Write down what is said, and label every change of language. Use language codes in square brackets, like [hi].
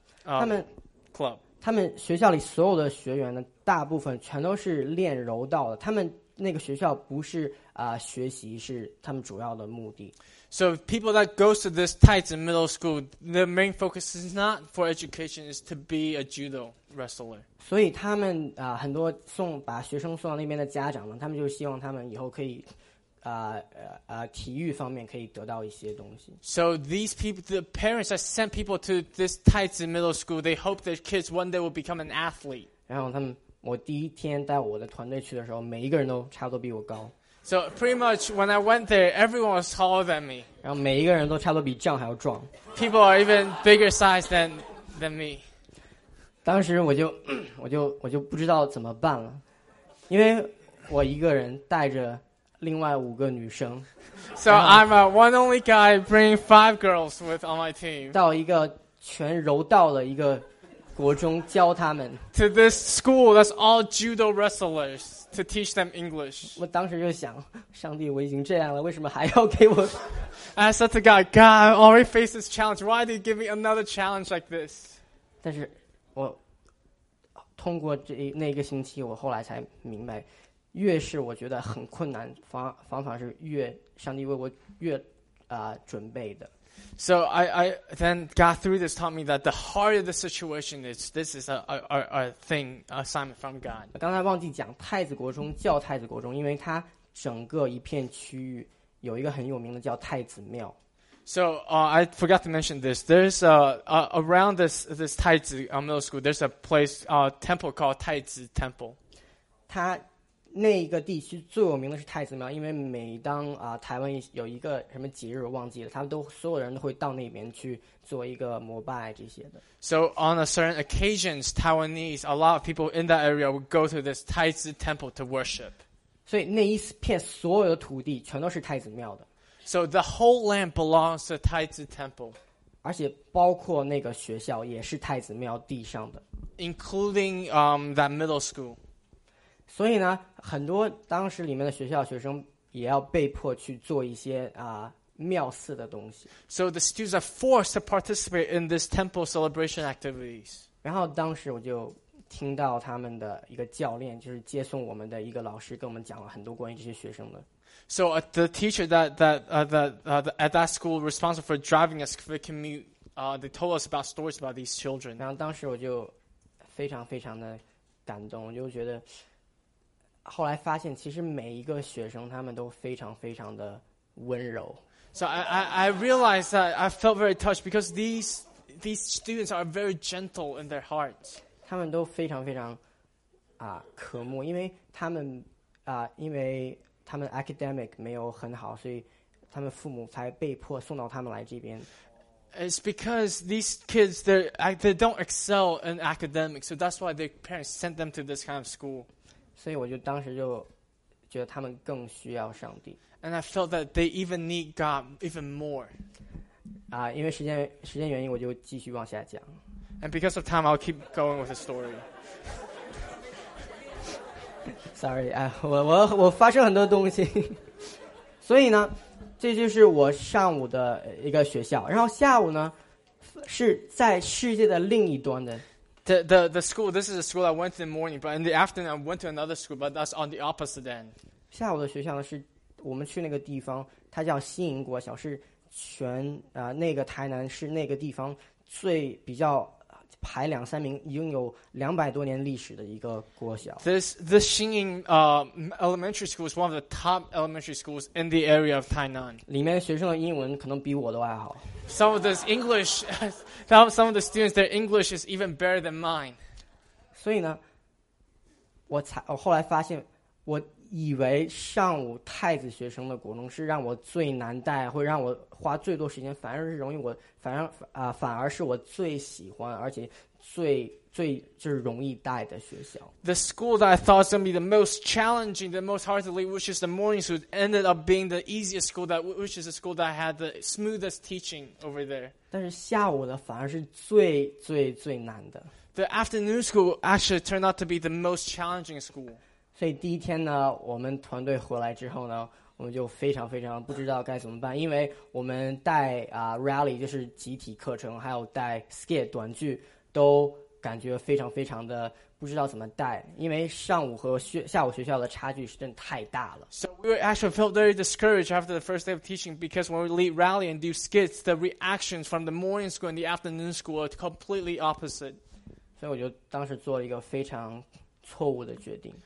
[zh] 他们 [en] club. [zh] 他们学校里所有的学员呢，大部分全都是练柔道的，他们。那个学校不是学习是他们主要的目的。 [en] So people that go to this Taizi Middle School, the main focus is not for education, is to be a judo wrestler. [zh] 所以他们很多把学生送到那边的家长呢，他们就希望他们以后可以体育方面可以得到一些东西。 [en] So these people, the parents that sent people to this Taizi Middle School, they hope their kids one day will become an athlete. [zh] 然后他们。我第一天带我的团队去的时候，每一个人都差不多比我高。 [en] So pretty much when I went there, everyone was taller than me. [zh] 然后每一个人都差不多比John还要壮。 [en] People are even bigger size than me. [zh] 当时我就不知道怎么办了，因为我一个人带着另外五个女生。 [en] So I'm a one only guy bringing five girls with on my team. [zh] 到一个全柔道的一个。国中教他们 [en] to this school that's all judo wrestlers to teach them English. [zh] 我当时就想，上帝，我已经这样了，为什么还要给我 [en] ？I said to God, God, I already faced this challenge. Why do you give me another challenge like this? [zh] 但是我通过那个星期，我后来才明白，越是我觉得很困难，反而是越上帝为我越准备的。 [en] So I then God through this taught me that the harder the situation is, this is a thing assignment from God. [zh] 刚才忘记讲太子国中叫太子国中，因为它整个一片区域有一个很有名的叫太子庙。 [en] So I forgot to mention this. There's around this 太子 middle school. There's a place temple called 太子 Temple. [zh] 它那一个地区最有名的是太子庙，因为每当台湾有一个什么节日忘记了，他们都所有人都会到那边去做一个膜拜这些的。 [en] So on a certain occasions, Taiwanese, a lot of people in that area would go to this 太子 temple to worship. [zh] 所以那一片所有的土地全都是太子庙的。 [en] So the whole land belongs to 太子 temple. [zh] 而且包括那个学校也是太子庙地上的。 [en] Including that middle school. [zh] 所以呢，很多当时里面的学校学生也要被迫去做一些庙祀的东西。 [en] So the students are forced to participate in this temple celebration activities. [zh] 然后当时我就听到他们的一个教练，就是接送我们的一个老师，跟我们讲了很多关于这些学生的。 [en] So the teacher at that school responsible for driving us for commute, they told us about stories about these children. [zh] 然后当时我就非常非常的感动，我就觉得。后来发现，其实每一个学生他们都非常非常的温柔。 [en] So I realized that I felt very touched because these students are very gentle in their hearts. [zh] 他们都非常非常渴慕，因为他们因为他们 academic 没有很好，所以他们父母才被迫送到他们来这边。 [en] It's because these kids, they don't excel in academics, so that's why their parents sent them to this kind of school. [zh] 所以我就当时就觉得他们更需要上帝。 [en] And I felt that they even need God even more. [zh] 因为时间原因，我就继续往下讲。 [en] And because of time, I'll keep going with the story. Sorry, [zh] 我发生很多东西。所以呢，这就是我上午的一个学校，然后下午呢，是在世界的另一端的。 [en] The school, this is a school I went to in the morning, but in the afternoon I went to another school, but that's on the opposite end. [zh] 下午的学校呢，是我们去那个地方，它叫新营国小，是全那个台南是那个地方最比较排两三名，拥有200多年历史的一个国小。 [en] This Xinying elementary school is one of the top elementary schools in the area of Tainan. [zh] 里面学生的英文可能比我都还好。 [en] Some of the students, their English is even better than mine. [zh] 所以呢，我后来发现，我以为上午太子学生的国中是让我最难带，会让我花最多时间，反而是容易我，反而是我最喜欢，而且最就是容易带的学校。 [en] The school that I thought was going to be the most challenging, the most hard to lead, which is the morning school, ended up being the easiest school, which is the school that had the smoothest teaching over there. [zh] 但是下午的反而是最最最难的。 [en] The afternoon school actually turned out to be the most challenging school. [zh] 所以第一天呢，我们团队回来之后呢，我们就非常非常不知道该怎么办，因为我们带rally 就是集体课程，还有带 skit 短剧，都感觉非常非常的不知道怎么带，因为上午和下午学校的差距是真的太大了。 [en] So we actually felt very discouraged after the first day of teaching because when we lead rally and do skits, the reactions from the morning school and the afternoon school are completely opposite. [zh] 所以我就当时做了一个非常错误的决定。